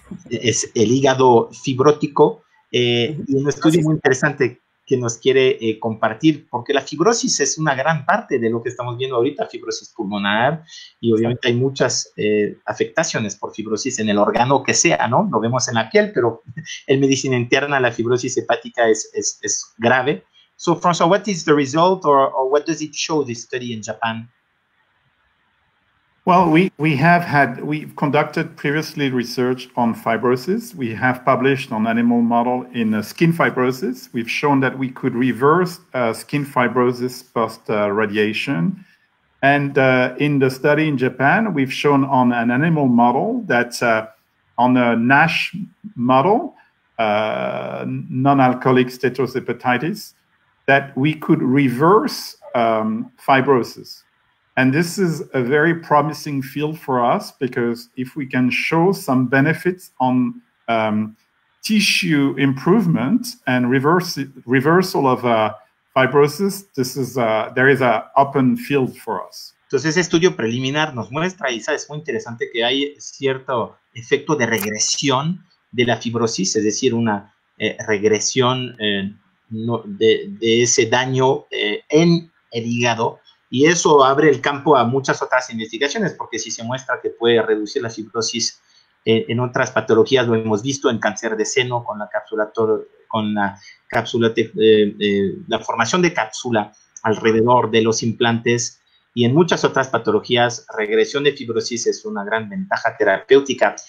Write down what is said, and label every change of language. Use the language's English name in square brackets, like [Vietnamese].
[Spanish] es el hígado fibrótico, y un estudio muy interesante que nos quiere compartir, porque la fibrosis es una gran parte de lo que estamos viendo ahorita, fibrosis pulmonar, y obviamente hay muchas afectaciones por fibrosis en el órgano que sea, ¿no? Lo vemos en la piel, pero en medicina interna la fibrosis hepática es grave. [English] So, François, what is the result, or what does it show, this study in Japan? Well, we've conducted previously research on fibrosis. We have published on animal model in skin fibrosis. We've shown that we could reverse skin fibrosis post radiation. And in the study in Japan, we've shown on an animal model that on a NASH model, non-alcoholic steatohepatitis, that we could reverse fibrosis. And this is a very promising field for us, because if we can show some benefits on tissue improvement and reversal of fibrosis, this is there is an open field for us. [Spanish] Entonces, ese estudio preliminar nos muestra, Isa, es muy interesante, que hay cierto efecto de regresión de la fibrosis, es decir, una regresión de ese daño en el hígado, y eso abre el campo a muchas otras investigaciones, porque si se muestra que puede reducir la fibrosis en otras patologías, lo hemos visto en cáncer de seno con la cápsula, la formación de cápsula alrededor de los implantes, y en muchas otras patologías, regresión de fibrosis es una gran ventaja terapéutica.